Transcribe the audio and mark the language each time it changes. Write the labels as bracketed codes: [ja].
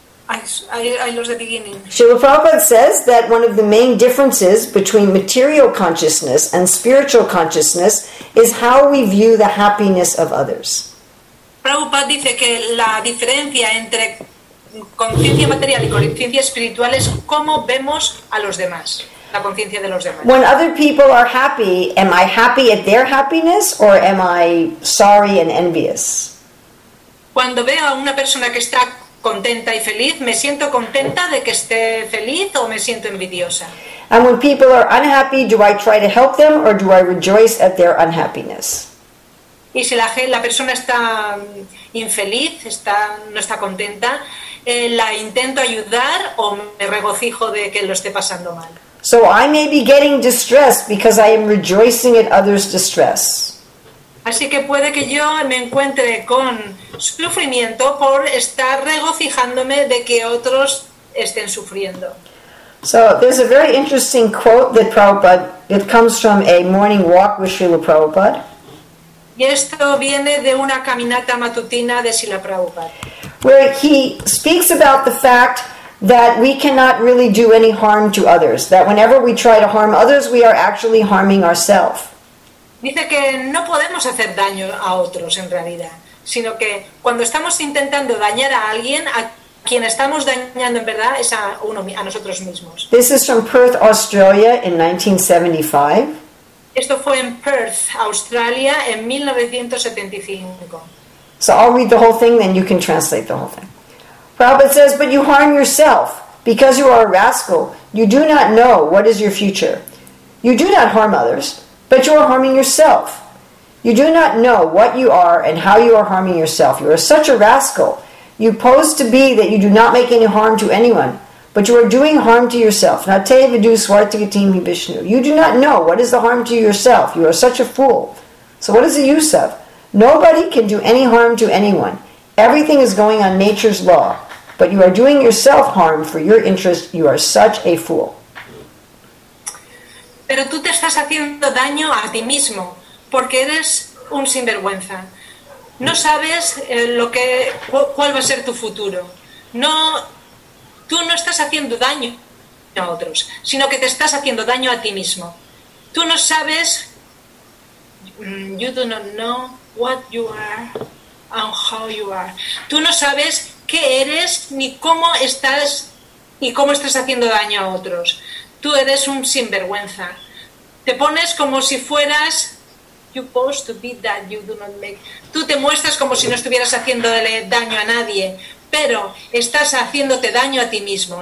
[en] Srila Prabhupada says that one of the main differences between material consciousness and spiritual consciousness is how we view the happiness of others. [es] Prabhupada dice que la diferencia entre conciencia material y conciencia espiritual es cómo vemos a los demás, la conciencia de los demás. [en] When other people are happy, am I happy at their happiness or am I sorry and envious? [es] Cuando veo a una persona que está contenta y feliz, me siento contenta de que esté feliz o me siento envidiosa. [en] And when people are unhappy, do I try to help them or do I rejoice at their unhappiness? [es] Y si la persona está infeliz, no está contenta, la intento ayudar o me regocijo de que lo esté pasando mal. [en] So I may be getting distressed because I am rejoicing at others' distress. [es] Así que puede que yo me encuentre con sufrimiento por estar regocijándome de que otros estén sufriendo. [en] So there's a very interesting quote that Prabhupada, it comes from a morning walk with Srila Prabhupada. [es] Y esto viene de una caminata matutina de Srila Prabhupada. [en] Where he speaks about the fact that we cannot really do any harm to others. That whenever we try to harm others, we are actually harming ourselves. [es] Dice que no podemos hacer daño a otros en realidad, sino que cuando estamos intentando dañar a alguien, a quien estamos dañando en verdad es a nosotros mismos. [en] This is from Perth, Australia, in 1975. [es] Esto fue en Perth, Australia, en 1975. [en] So I'll read the whole thing, then you can translate the whole thing. Prabhupada says, but you harm yourself because you are a rascal. You do not know what is your future. You do not harm others. But you are harming yourself. You do not know what you are and how you are harming yourself. You are such a rascal. You pose to be that you do not make any harm to anyone, but you are doing harm to yourself. [sa] Nate vidu swartigatimi Vishnu. [en] You do not know what is the harm to yourself. You are such a fool. So what is the use of? Nobody can do any harm to anyone. Everything is going on nature's law. But you are doing yourself harm for your interest. You are such a fool. [es] Pero tú te estás haciendo daño a ti mismo porque eres un sinvergüenza. No sabes cuál va a ser tu futuro. No, tú no estás haciendo daño a otros, sino que te estás haciendo daño a ti mismo. Tú no sabes. [en] You do not know what you are and how you are. [es] Tú no sabes qué eres ni cómo estás haciendo daño a otros. Tú eres un sinvergüenza. Te pones como si fueras. [en] You pose to be that you do not make. [es] Tú te muestras como si no estuvieras haciendo daño a nadie, pero estás haciéndote daño a ti mismo.